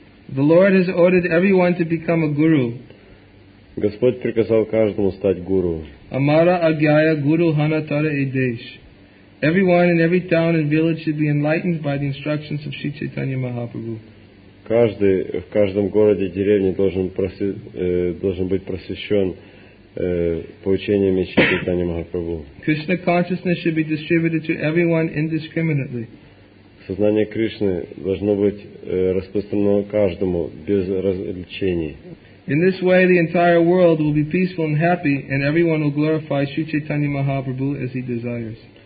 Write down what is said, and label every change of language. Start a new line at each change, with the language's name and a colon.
English: The Lord has ordered everyone to become a guru.
Russian: Господь приказал каждому стать гуру.
Bangla: Amara Agyaya Guru Hanatara Edesh.
English: Everyone in every town and village should be enlightened by the instructions of Sri Chaitanya Mahaprabhu.
Russian: Каждый в каждом городе, деревне должен быть просвещен по учениям Шри Чайтанья Махапрабху.
English: Krishna consciousness should be distributed to everyone indiscriminately.
Russian: Сознание Кришны должно быть распространено каждому без различений.
English: In this way, the entire world will be peaceful and happy, and everyone will glorify Sri Chaitanya Mahaprabhu as he desires.